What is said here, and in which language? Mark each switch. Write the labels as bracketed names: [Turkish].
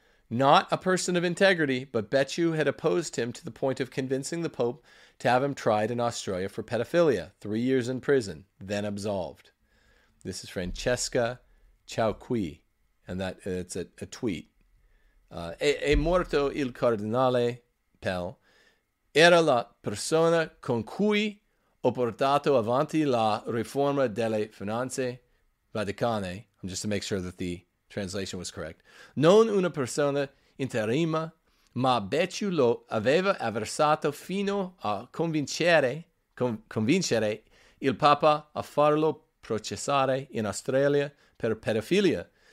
[English] Not a person of integrity, but Becciu had opposed him to the point of convincing the Pope to have him tried in Australia for pedophilia. 3 years in prison, then absolved. This is Francesca Chauqui, and that it's a tweet. [Italian] È morto il cardinale Pell. Era la persona con cui ho portato avanti la riforma delle finanze Vaticane. [English] Just to make sure that the translation was correct. [Italian] Non una persona interima, ma Becciu lo aveva avversato fino a convincere il Papa a farlo processare in Australia per pedofilia.